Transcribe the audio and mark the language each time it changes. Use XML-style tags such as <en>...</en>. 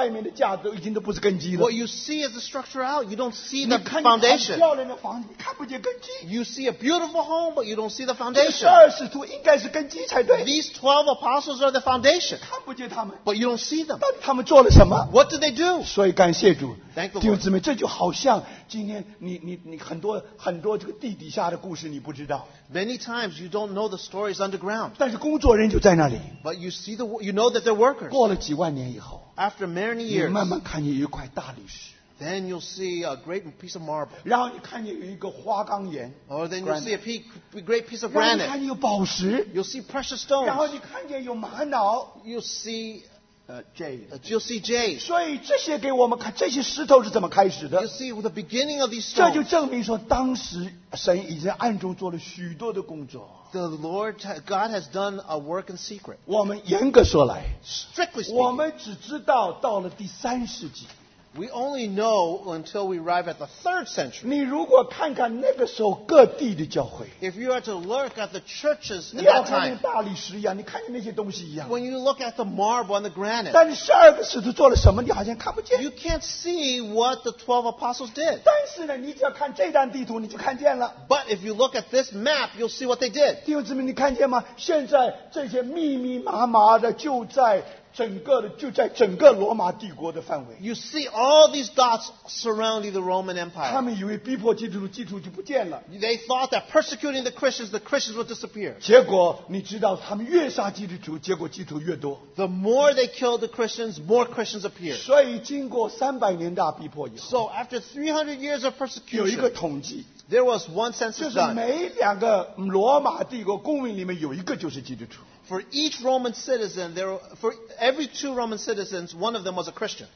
<zh>但那你看见都不是根基了。</zh> <en>What you see is the structure out. You don't see the foundation.</en> <zh>你看见很漂亮的房子，你看不见根基。</zh> <en>You see a beautiful home, but you don't see the foundation.</en> <zh>这12使徒应该是根基才对。</zh> <en>These 12 apostles are the foundation.</en> <zh>看不见他们。</zh> <en>But you don't see them.</en> <zh>到底他们做了什么?</zh> <en>What do they do?</en> <zh>所以感谢主。</zh> <en>Thank the Lord.</en> <zh>弟兄姊妹, 这就好像今天你很多这个地底下的故事你不知道。</zh> <en>Many times you don't know the stories underground.</en> <zh>但是工作人就在那里。</zh> <en>But you see the, you know that they're workers.</en> <zh>过了几万年以后,</zh> <en>after many years,</en> <zh>你慢慢看见一块大理石。</zh> <en>Then you'll see a great piece of marble.</en> <zh>然后你看见有一个花岗岩,</zh> <en>or then you'll see a great piece of granite.</en> <zh>然后你看见有宝石,</zh> <en>you'll see precious stones.</en> <zh>然后你看见有玛瑙,</zh> <en>you'll see Jade. You'll see Jade.</en> <zh>所以这些给我们看, 这些石头是怎么开始的?</zh> <en>You'll see with the beginning of these stones.</en> <zh>这就证明说当时神已经暗中做了许多的工作。</zh> <en>The Lord, God has done a work in secret.</en> <zh>我们严格说来,</zh> <en>strictly speaking,</en> <zh>我们只知道到了第三世纪。</zh> <en>We only know until we arrive at the 3rd century.</en> <zh>你如果看看那个时候各地的教会,</zh> <en>if you are to look at the churches in that time,</en> <zh>你要看见大理石一样, 你看见那些东西一样,</zh> <en>when you look at the marble and the granite,</en> <zh>但是12个使徒做了什么, 你好像看不见,</zh> <en>you can't see what the 12 apostles did.</en> <zh>但是呢, 你只要看这张地图, 你就看见了,</zh> <en>but if you look at this map, you'll see what they did.</en> <zh>弟兄姊妹, 你看见吗? 现在这些密密麻麻的就在 整个的,</zh> <en>you see all these dots surrounding the Roman Empire.</en> <zh>他们以为逼迫基督徒,</zh> <en>they thought that persecuting the Christians would disappear.</en> <zh>结果你知道他们越杀基督徒,</zh> <en>the more they killed the Christians, more Christians appeared.</en> <zh>所以经过300年大逼迫以后,</zh> <en>so after 300 years of persecution,</en> <zh>有一个统计,</zh> <en>there was one census done.</en> <zh>就是每两个罗马帝国公民里面有一个就是基督徒。</zh> <en>For each Roman citizen, there for every two Roman citizens, one of them was a Christian.</en>